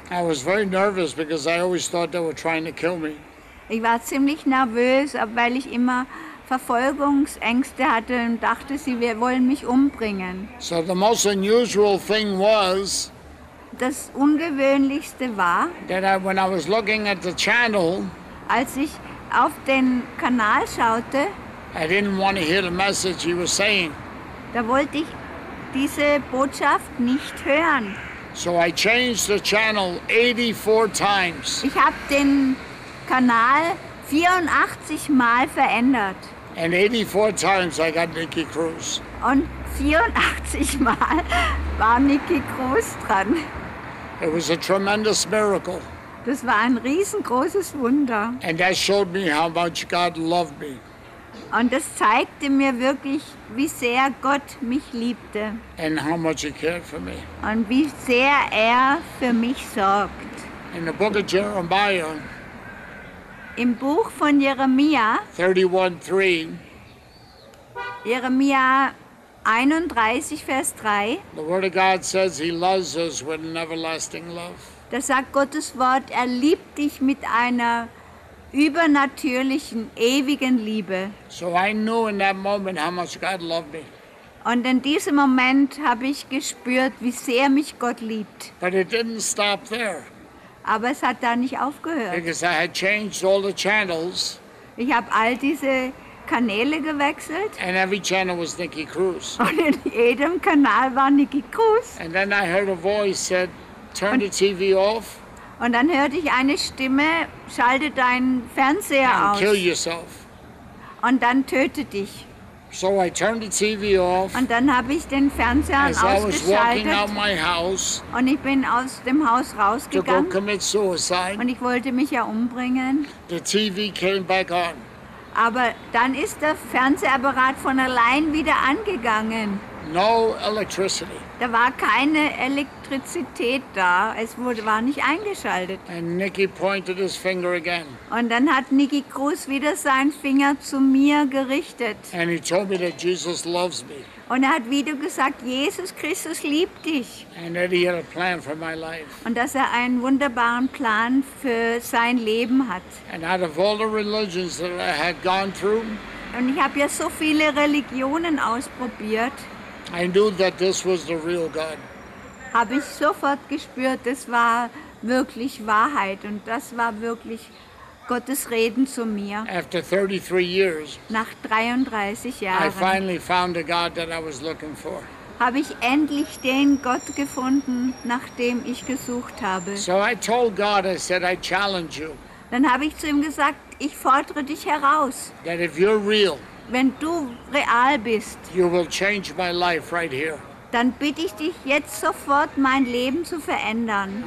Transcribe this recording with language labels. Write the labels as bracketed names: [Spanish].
[English] I was very nervous because I always thought they were trying to kill me. [German] Ich war ziemlich nervös, weil ich immer Verfolgungsängste hatte und dachte, sie wollen mich umbringen. [English] So the most unusual thing was, [German] das Ungewöhnlichste war, [English] that when I was looking at the channel, [German] als ich auf den Kanal schaute, [English] I didn't want to hear the message he was saying. [German] Da wollte ich diese Botschaft nicht hören. [English] So I changed the channel 84 times. [German] Ich habe den Kanal 84 Mal verändert. [English] And 84 times I got Nikki Cruz. [German] Und 84 Mal war Nikki Cruz dran. [English] It was a tremendous miracle. [German] Das war ein riesengroßes Wunder. [English] And that showed me how much God loved me. [German] Und das zeigte mir wirklich, wie sehr Gott mich liebte. [English] And how much he cared for me. [German] Und wie sehr er für mich sorgt. [English] In the book of Jeremiah, [German] im Buch von Jeremia, [English] 31:3, [German] Jeremia 31, Vers 3, [English] the word of God says he loves us with an everlasting love. [German] Da sagt Gottes Wort, er liebt dich mit einer übernatürlichen, ewigen Liebe. [English] So I knew in that moment how much God loved me. [German] Und in diesem Moment habe ich gespürt, wie sehr mich Gott liebt. [English] But it didn't stop there. [German] Aber es hat da nicht aufgehört. [English] Because I had changed all the channels. [German] Ich habe all diese Kanäle gewechselt. [English] And every channel was Nikki Cruz. [German] Und in jedem Kanal war Nikki Cruz. [English] And then I heard a voice said, turn the TV off. [German] Und dann hörte ich eine Stimme, schalte deinen Fernseher [English] and [German] aus. [English] Kill yourself. [German] Und dann töte dich. [English] So I turned the TV off. [German] Und dann habe ich den Fernseher ausgeschaltet. [English] I was walking out my house. [German] Und ich bin aus dem Haus rausgegangen. [English] To go commit suicide. [German] Und ich wollte mich ja umbringen. [English] The TV came back on. [German] Aber dann ist der Fernsehapparat von allein wieder angegangen. [English] No electricity. [German] Da war keine Elektrizität da. Es wurde, war nicht eingeschaltet. [English] And Nikki pointed his finger again. [German] Und dann hat Nikki Cruz wieder seinen Finger zu mir gerichtet. [English] And he told me that Jesus loves me. [German] Und er hat wieder gesagt, Jesus Christus liebt dich. [English] And that he had a plan for my life. [German] Und dass er einen wunderbaren Plan für sein Leben hat. [English] And out of all the religions that I had gone through, [German] und ich habe ja so viele Religionen ausprobiert. [English] I knew that this was the real God. [German] Habe ich sofort gespürt, das war wirklich Wahrheit und das war wirklich Gottes Reden zu mir. [English] After 33 years, [German] nach 33 Jahren, [English] I finally found the God that I was looking for. [German] Habe ich endlich den Gott gefunden, nach dem ich gesucht habe. [English] So I told God, I said, I challenge you. [German] Dann habe ich zu ihm gesagt, ich fordere dich heraus. [English] That if you're real, [German] wenn du real bist, [English] you will change my life right here. [German] Dann bitte ich dich jetzt sofort, mein Leben zu verändern.